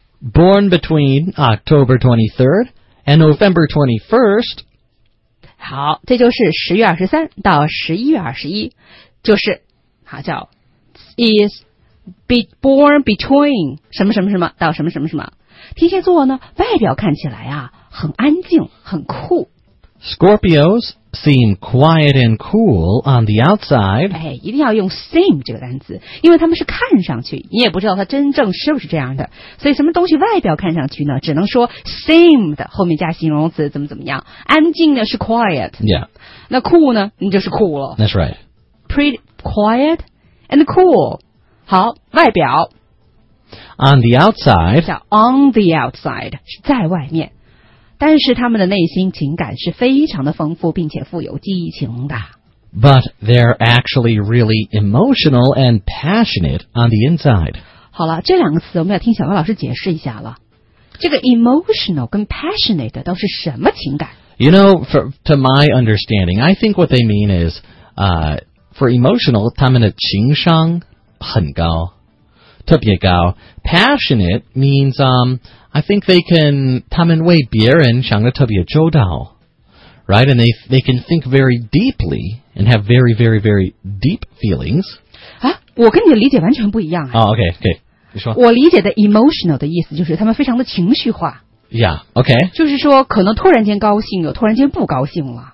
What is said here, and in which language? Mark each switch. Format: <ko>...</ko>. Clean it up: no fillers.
<en>Born between October 23rd And November 21st.</en> <zh>好，这就是10月23到11月21，就是，好叫</zh> <en>is be born between</en> <zh>什么什么什么到什么什么什么。天蝎座呢，外表看起来啊，很安静，很酷。</zh> <en>Scorpios seem quiet and cool on the outside.</en> <zh>哎，一定要用 seem 这个单词，因为他们是看上去，你也不知道他真正是不是这样的。所以什么东西外表看上去呢？只能说 seem 的后面加形容词怎么怎么样。安静呢是 quiet.</zh> <en>Yeah.</en> <zh>那 cool 呢？你就是 cool 了。</zh> <en>That's right. Pretty quiet and cool.</en> <zh>好，外表。</zh> <en>On the outside.</en> <zh>叫 on the outside 是在外面。但是他们的内心情感是非常的丰富并且富有激情的。</zh> <en>But they're actually really emotional and passionate on the inside.</en> <zh>好了，这两个词我们要听小高老师解释一下了。这个 emotional 跟 passionate 都是什么情感？</zh> <en>You know, to my understanding, I think what they mean is, for emotional,</en> <zh>他们的情商很高，特别高。</zh> <en>Passionate means, I think they can,</en> <zh>他们为别人想得特别周到,</zh> <en>right? And they can think very deeply and have very, very, very deep feelings.</en> <zh>啊，我跟你的理解完全不一样啊。哦, okay, okay, 你说。我理解的 emotional 的意思就是他们非常的情绪化。</zh> <en>Yeah, okay.</en> <zh>就是说可能突然间高兴又突然间不高兴了。</zh>